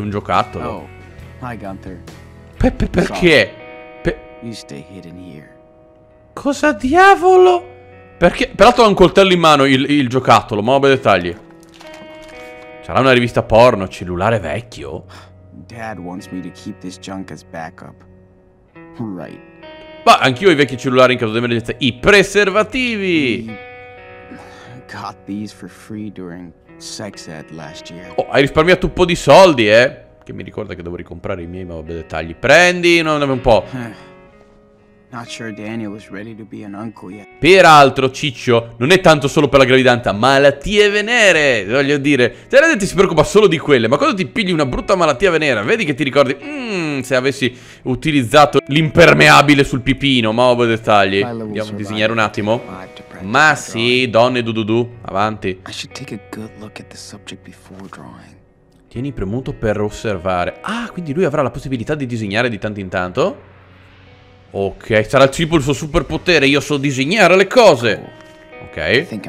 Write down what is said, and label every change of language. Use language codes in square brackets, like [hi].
[it] Un giocattolo. Oh. [en] Hi, Gunther. [it] Perché? [en] You stay hidden here. [it] Cosa diavolo? Perché? Peraltro ha un coltello in mano il giocattolo. Ma vabbè, dettagli. Sarà una rivista porno, cellulare vecchio? [en] Dad wants me to keep this junk as backup. Right. [it] Ma anch'io ho i vecchi cellulari in caso di emergenza. I preservativi! [en] Got these for free during sex ed last year. [it] Oh, hai risparmiato un po' di soldi, eh? Che mi ricorda che devo ricomprare i miei, ma vabbè, dettagli. Prendi, non è un po'. [en] Not sure Daniel was ready to be an uncle yet. [it] Peraltro, ciccio, non è tanto solo per la gravidanza. Malattie venere, voglio dire. Te la detto, si preoccupa solo di quelle. Ma quando ti pigli una brutta malattia venera, vedi che ti ricordi. Se avessi utilizzato l'impermeabile sul pipino. Ma ovvio dettagli. Andiamo a disegnare un attimo. Ma sì, donne dududu. Avanti. [en] I should take a good look at the subject before drawing. [it] Tieni premuto per osservare. Ah, quindi lui avrà la possibilità di disegnare di tanto in tanto. Ok, sarà tipo il suo superpotere. Io so disegnare le cose. Ok.